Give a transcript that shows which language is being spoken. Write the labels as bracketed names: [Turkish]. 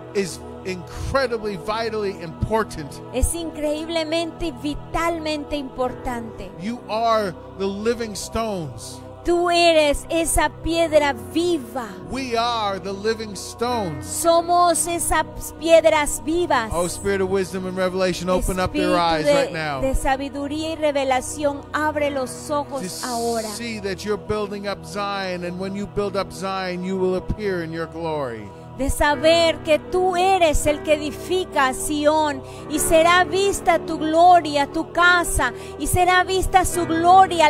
[English] Is incredibly vitally important. [Spanish] Es increíblemente vitalmente importante. [English] You are the living stones. [Spanish] Tú eres esa piedra viva. [English] We are the living stones. [Spanish] Somos esas piedras vivas. [English] Oh, Spirit of wisdom and revelation, open up your eyes right now. [Spanish] De sabiduría y revelación, abre los ojos ahora. [English] See that you're building up Zion, and when you build up Zion, you will appear in your glory. [Spanish] De saber que tú eres el que edifica Sion, y será vista tu gloria, tu casa, y será vista su gloria.